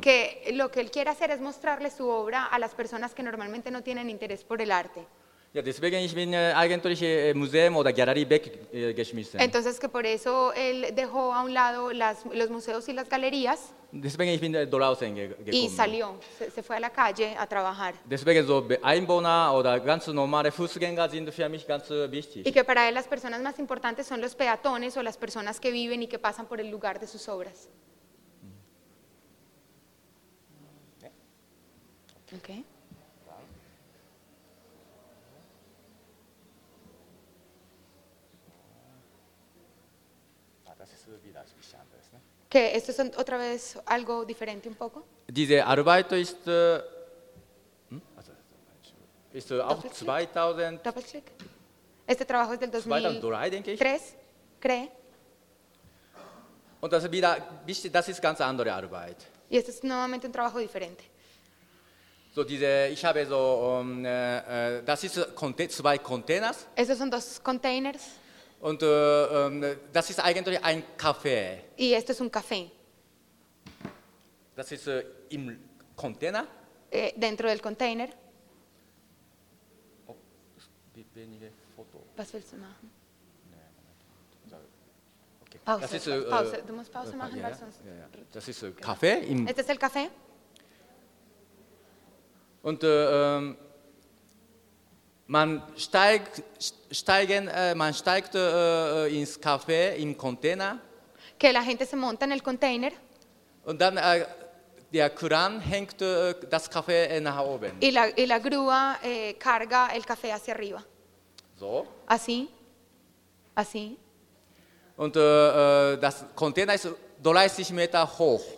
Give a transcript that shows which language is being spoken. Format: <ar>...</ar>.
<es>Que lo que él quiere hacer es mostrarle su obra a las personas que normalmente no tienen interés por el arte.</es> <de>Ja, deswegen ich bin eigentlich Museum oder Galerie weggeschmissen.</de> <es>Entonces que por eso él dejó a un lado los museos y las galerías.</es> <de>Deswegen ich bin draußen gekommen.</de> <es>Y salió, se fue a la calle a trabajar.</es> <de>Deswegen so Einwohner oder ganz normale Fußgänger sind für mich ganz wichtig.</de> <es>Y que para él las personas más importantes son los peatones o las personas que viven y que pasan por el lugar de sus obras. Okay. Que esto es otra vez algo diferente un poco.</es> <de>Diese Arbeit ist ist auch 2000.</de> <es>Doppelklick. Este trabajo es del</es> <de>2003, denke ich.</de> <es>3, cree.</es> <de>Und das ist ganz andere Arbeit.</de> <es>Y esto es nuevamente un trabajo diferente.</es> <de>So diese, ich habe so, das ist zwei Containers.</de> <es>Esos son dos containers.</es> <de>Und das ist eigentlich ein Café.</de> <es>Y esto es un café.</es> <de>Das ist im Container.</de> <es>Dentro del container.</es> <de>Oh, wenige Foto. Was willst du machen? Pause, das ist, Pause, du musst Pause machen, weil sonst... Ja, ja. Das ist Kaffee. Okay. Im... Ist das der Kaffee? Und man steigt ins Kaffee, im Container.</de> <es>Que la gente se monta en el container.</es> <de>Und dann der Kran hängt das Kaffee nach oben.</de> <es>Y la grúa carga el café hacia arriba.</es> <de>So?</de> <es>Así. Así.</es> <de>Und das Container ist 30 Meter hoch.</de>